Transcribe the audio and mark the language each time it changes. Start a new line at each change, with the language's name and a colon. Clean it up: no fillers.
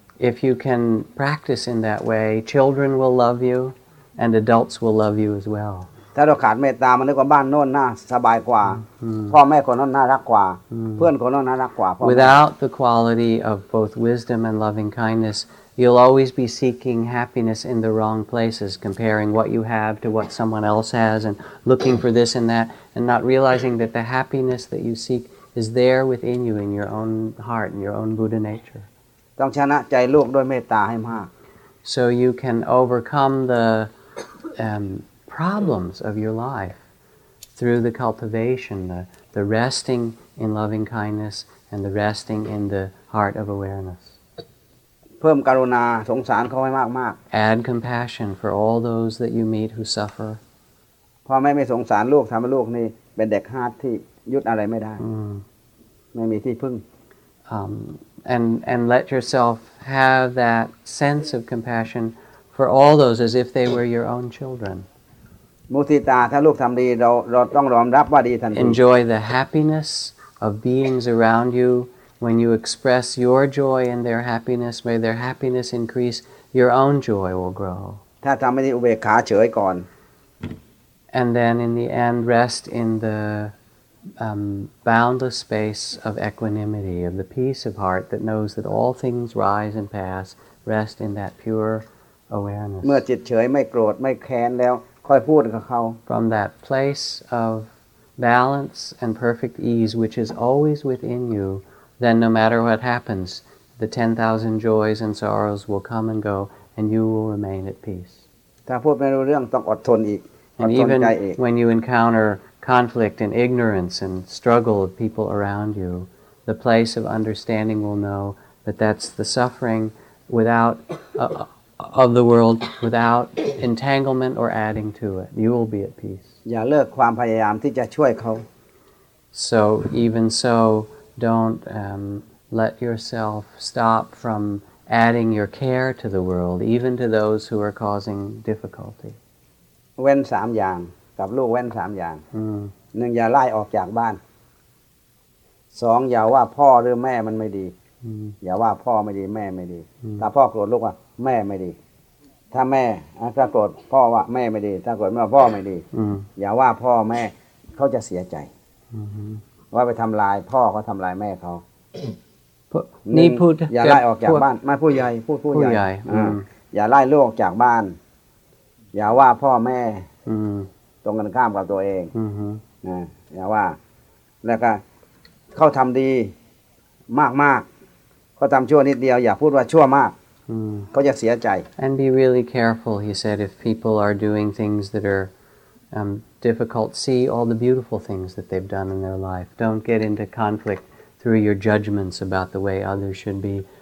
English: If you can practice in that way, children will love you and adults will love you as well.
Thai: ถ้าเราขาดเมตตามันนึกว่าบ้านโน่นน่าสบายกว่าพ่อแม่คนนั้นน่ารักกว่าเพื่อนคนนั้นน่ารักกว่า
English: Without the quality of both wisdom and loving kindness, you'll always be seeking happiness in the wrong places, comparing what you have to what someone else has, and looking for this and that, and not realizing that the happiness that you seek is there within you, in your own heart, in your own Buddha nature.
Thai: ต้องชนะใจลูกด้วยเมตตาให้มาก
English: So you can overcome the problems of your life through the cultivation, the resting in loving kindness and the resting in the heart of awareness.
Thai: เพิ่มกรุณาสงสารเขาให้มากมาก
English: Add compassion for all those that you meet who suffer.
Thai: พ่อแม่ไม่สงสารลูกทำให้ลูกนี่เป็นเด็กฮาร์ดที่ยึดอะไรไม่ได้ไม่มีที่พึ่ง
English: And let yourself have that sense of compassion for all those as if they were your own children.
Thai: มุทิตาถ้าลูกทำดีเราต้องยอมรับว่าดีทันที
English: Enjoy the happiness of beings around you when you express your joy in their happiness may their happiness increase your own joy will grow
Thai: ถ้าทำไม่ดีอุเบกขาเฉยก่อน
English: And then in the end rest in the boundless space of equanimity of the peace of heart that knows that all things rise and pass rest in that pure awareness
Thai: เมื่อจิตเฉยไม่โกรธไม่แค้นแล้ว
English: From that place of balance and perfect ease, which is always within you, then no matter what happens, the 10,000 joys and sorrows will come and go, and you will remain at peace. And even when you encounter conflict and ignorance and struggle of people around you, the place of understanding will know that that's the suffering without... of the world without entanglement or adding to it. You will be at peace.
Thai: อย่าเลิกความพยายามที่จะช่วยเขา
English: So even so, don't let yourself stop from adding your care to the world, even to those who are causing difficulty.
Thai: เว้น3อย่างกับลูกเว้น3อย่าง1อย่าไล่ออกจากบ้าน2อย่าว่าพ่อหรือแม่มันไม่ดีอย่าว่าพ่อไม่ดีแม่ไม่ดีถ้าพ่อโกรธลูกอ่ะแม่ไม่ดีถ้าแม่ถ้าโกรธพ่อว่าแม่ไม่ดีถ้าโกรธแม่พ่อไม่ดีอย่าว่าพ่อแม่เขาจะเสียใจว่าไปทำลายพ่อเขาทำลายแม่เขานี่พูด อย่าไล่ออกจากบ้านไม่ผู้ใหญ่ผู้ใหญ่ อย่าไล่ลูกออกจากบ้านอย่าว่าพ่อแม่ ตรงกันข้ามกับตัวเองนะอย่าว่าแล้วก็เขาทำดีมากมากเขาทำชั่วนิดเดียวอย่าพูดว่าชั่วมากก็จะเสียใจ
English: And be really careful, he said, if people are doing things that are difficult, see all the beautiful things that they've done in their life. Don't get into conflict through your judgments about the way others should be.